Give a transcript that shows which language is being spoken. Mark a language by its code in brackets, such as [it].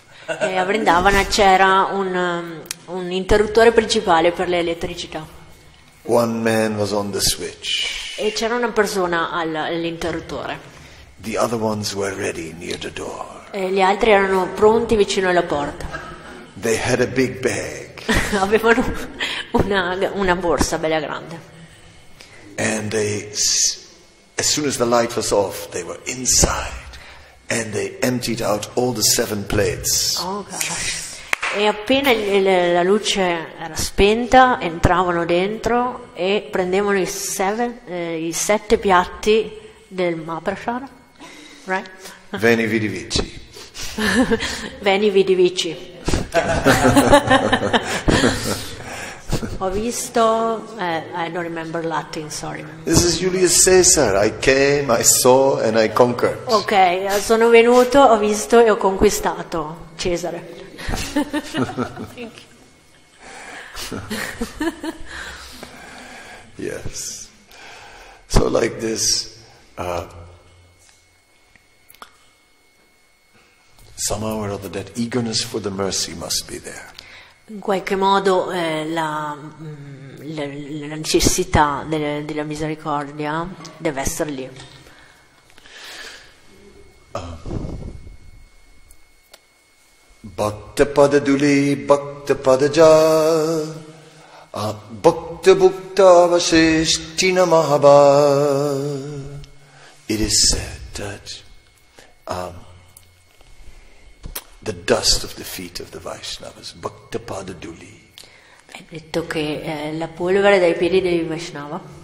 [it] E a Vrindavana c'era un interruttore principale per l'elettricità. [en] One man was on the switch. [it] E c'era una persona all'interruttore. [en] The other ones were ready near the door. [it] E gli altri erano pronti vicino alla porta. [en] They had a big bag. [it] Avevano una borsa bella grande. [en] And they, as soon as the light was off, they were inside and they emptied out all the 7 plates. Oh gosh. [it] E appena la luce era spenta, entravano dentro e prendevano i 7 piatti del Mahaprasada. [en] Right? [la] Veni vidi vici. Veni vidi vici. [it] Ho visto, [en] I don't remember Latin, sorry. This is Julius Caesar. I came, I saw and I conquered. [it] Ok, sono venuto, ho visto e ho conquistato Cesare. [en] Yes. So like this, somehow or other that eagerness for the mercy must be there. [it] In qualche modo la necessità della misericordia deve essere lì. Bhakta pada duli bhakta pada ja bhakta bhukta vasishtina mahabha. [en] It is said that the dust of the feet of the Vaishnavas, bhakta pada duli. [it] È detto che la polvere dai piedi dei Vaishnava.